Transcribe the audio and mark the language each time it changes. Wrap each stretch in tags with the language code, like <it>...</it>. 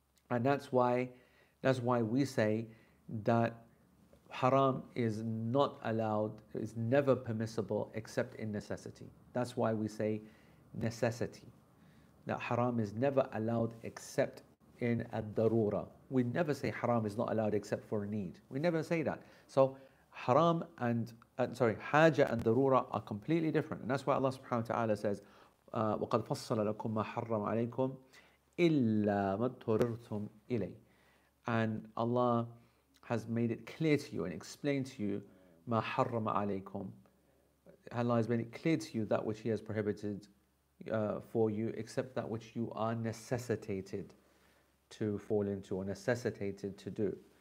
<en>And that's why we say that haram is not allowed, is never permissible except in necessity. That's why we say necessity. That haram is never allowed except in a darura. We never say haram is not allowed except for a need. We never say that. So haram and haja and darura are completely different. And that's why Allah subhanahu wa ta'ala says,</en> <ar>وَقَدْ فَصَّلَ لَكُمْ مَا حَرَّمْ عَلَيْكُمْ إِلَّا مَا اضْطُرِرْتُمْ إِلَيْهِ.</ar> <en>And Allah has made it clear to you and explained to you</en> <ar>مَا حَرَّمَ عَلَيْكُمْ.</ar> <en>Allah has made it clear to you that which He has prohibited for you, except that which you are necessitated to fall into or necessitated to do.</en>